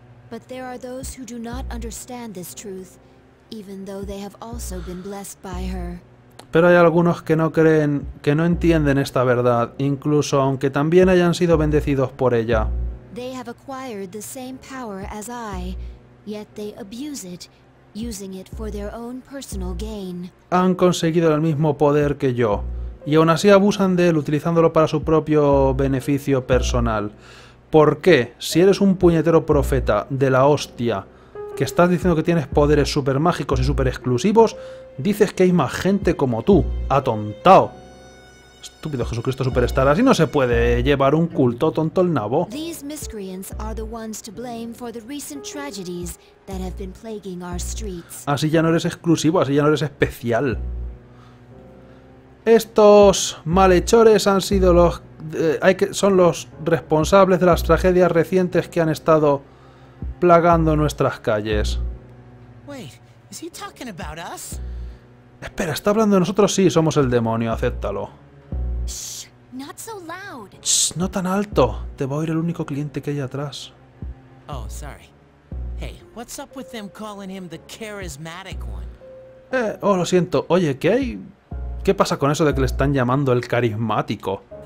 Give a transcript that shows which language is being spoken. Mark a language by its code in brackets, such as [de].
[en] But there are those who do not understand this truth, even though they have also been blessed by her. [es] Pero hay algunos que no creen, que no entienden esta verdad, incluso aunque también hayan sido bendecidos por ella. [en] They have acquired the same power as I, yet they abuse it, using it for their own personal gain. [es] Han conseguido el mismo poder que yo, y aún así abusan de él utilizándolo para su propio beneficio personal. ¿Por qué? Si eres un puñetero profeta de la hostia que estás diciendo que tienes poderes super mágicos y super exclusivos, dices que hay más gente como tú. ¡Atontao! Estúpido Jesucristo Superstar, así no se puede llevar un culto, tonto el nabo. [en] These miscreants are the ones to blame for the recent tragedies that have been plaguing our streets. [es] Así ya no eres exclusivo, así ya no eres especial. Estos malhechores han sido los son los responsables de las tragedias recientes que han estado plagando nuestras calles. [en] Wait, is he talking about us? [es] Espera, ¿está hablando de nosotros? Sí, somos el demonio, acéptalo. Shh, [en] not so loud. [es] Shh, no tan alto. Te va a oír el único cliente que hay atrás. [en] Oh, sorry. Hey, what's up with them calling him the charismatic one? [es] Oh, lo siento. Oye, ¿qué hay? ¿Qué pasa con eso de que le están llamando el carismático?